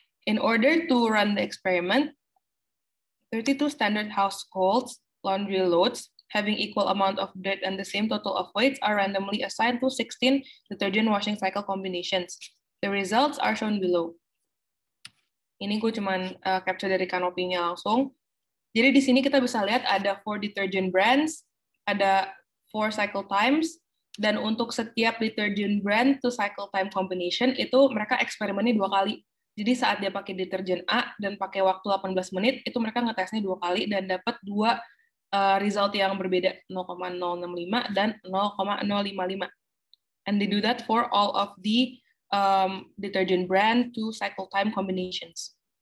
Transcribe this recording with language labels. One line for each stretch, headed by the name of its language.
English: In order to run the experiment, 32 standard households laundry loads having equal amount of dirt and the same total of weights are randomly assigned to 16 detergent washing cycle combinations. The results are shown below.
Indonesian: Ini gue cuman capture dari kanopinya langsung. Jadi di sini kita bisa lihat ada 4 detergent brands, ada 4 cycle times, dan untuk setiap detergent brand
English: to cycle time combination
Indonesian: itu mereka eksperimennya 2 kali. Jadi saat dia pakai deterjen A dan pakai waktu 18 menit, itu mereka ngetesnya 2 kali dan dapat 2 result yang berbeda, 0,065 dan 0,055.
English: And they do that for all of the detergent brand to cycle time combinations.